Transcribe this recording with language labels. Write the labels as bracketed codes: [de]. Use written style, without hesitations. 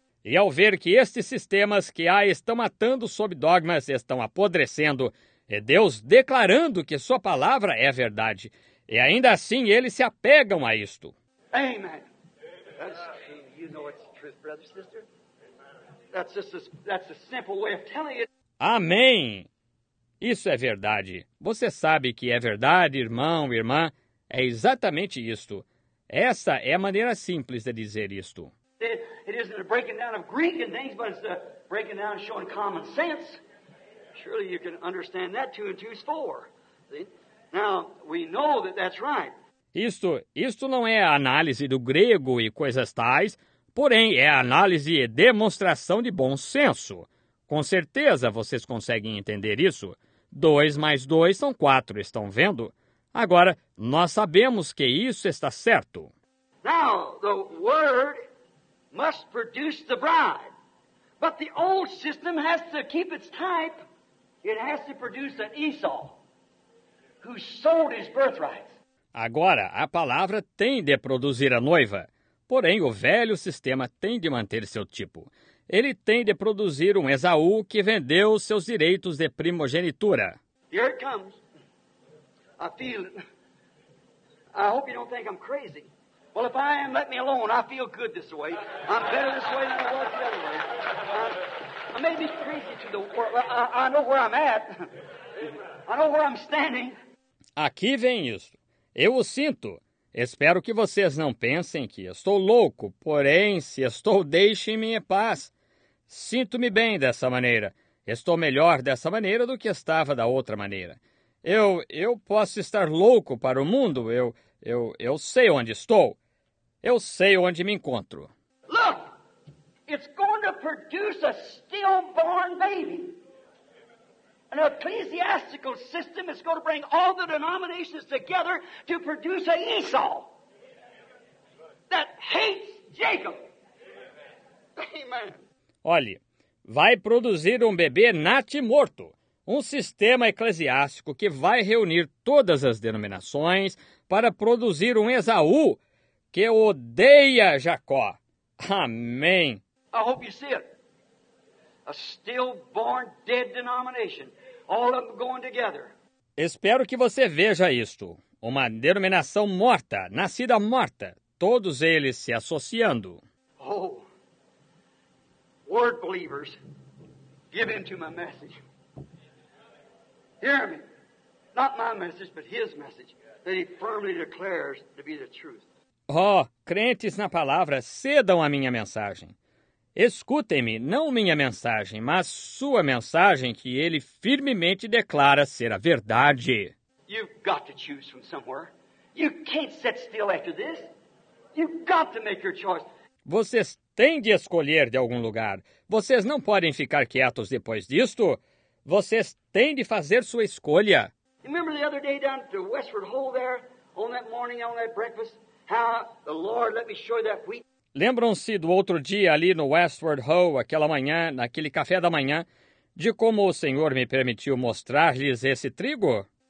[pt] E ao ver que estes sistemas que há estão matando sob dogmas, estão apodrecendo, é Deus declarando que sua palavra é a verdade. E ainda assim eles se apegam a isto. [en] Amen. That's, you know it's the truth, brother, sister. That's a simple way of telling it. [pt] Amém! Isso é verdade. Você sabe que é verdade, irmão, irmã. É exatamente isto. Essa é a maneira simples de dizer isto. [en] It isn't a breaking down of Greek and things, but it's a breaking down and showing common sense. Surely you can understand that 2 and 2 is 4. Now, we know that that's right. [pt] Isto não é análise do grego e coisas tais, porém é análise e demonstração de bom senso. Com certeza vocês conseguem entender isso. 2 mais 2 são 4, estão vendo? Agora, nós sabemos que isso está certo. [en] Now, the word must produce the bride. But the old system has to keep its type. It has to produce an Esau, who sold his birthright. [pt] Agora, a palavra tem de produzir a noiva. Porém, o velho sistema tem de manter seu tipo. Ele tem de produzir um Esaú que vendeu seus direitos de primogenitura. [en] Here it comes. I feel it. I hope you don't think I'm crazy. Well, if I am, let me alone. I feel good this way. I'm better this way than I was the other way. I may be crazy to the world. I know where I'm at. I know where I'm standing. [pt] Aqui vem isso. Eu o sinto. Espero que vocês não pensem que estou louco, porém, se estou, deixem-me em paz. Sinto-me bem dessa maneira. Estou melhor dessa maneira do que estava da outra maneira. Eu posso estar louco para o mundo. Eu sei onde estou. Eu sei onde me encontro. [en] Look, it's going to produce a stillborn baby. An ecclesiastical system is going to bring all the denominations together to produce an Esau that hates Jacob. Amen. [pt] Olhe, vai produzir um bebê natimorto, um sistema eclesiástico que vai reunir todas as denominações para produzir um Esaú que odeia Jacó. Amém. [en] I hope you see it. A stillborn dead denomination. All of them going together. [pt] Espero que você veja isto. Uma denominação morta, nascida morta, todos eles se associando. [en] Oh, word believers, give in to my message. Hear me. Not my message, but his message, that he firmly declares to be the truth. [pt] Oh, crentes na palavra, cedam a minha mensagem. Escutem-me, não minha mensagem, mas sua mensagem que ele firmemente declara ser a verdade. [en] You've got to choose from somewhere. You can't sit still after this. You've got to make your choice. [pt] Vocês têm de escolher de algum lugar. Vocês não podem ficar quietos depois disto. Vocês têm de fazer sua escolha. [en] Remember the other day down to Westward Hole there, on that morning, on that breakfast, how the Lord let me show that wheat. [pt] Lembram-se do outro dia ali no Westward Hall, aquela manhã, naquele café da manhã, de como o Senhor me permitiu mostrar-lhes esse trigo?